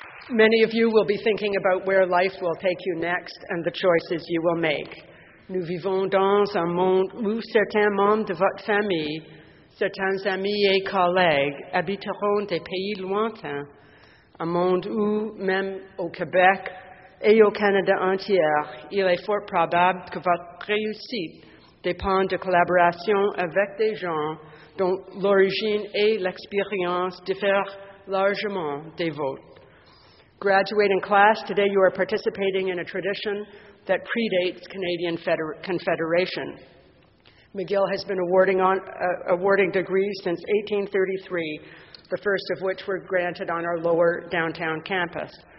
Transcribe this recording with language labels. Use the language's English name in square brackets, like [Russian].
[English] Many of you will be thinking about where life will take you next and the choices you will make. [French] Nous vivons dans un monde où certains membres de votre famille, certains amis et collègues habiteront des pays lointains, un monde où, même au Québec et au Canada entier, il est fort probable que votre réussite dépend de collaboration avec des gens dont l'origine et l'expérience diffèrent largement des vôtres. [English] Graduating class, today you are participating in a tradition that predates Canadian Confederation. McGill has been awarding degrees since 1833, the first of which were granted on our lower downtown campus.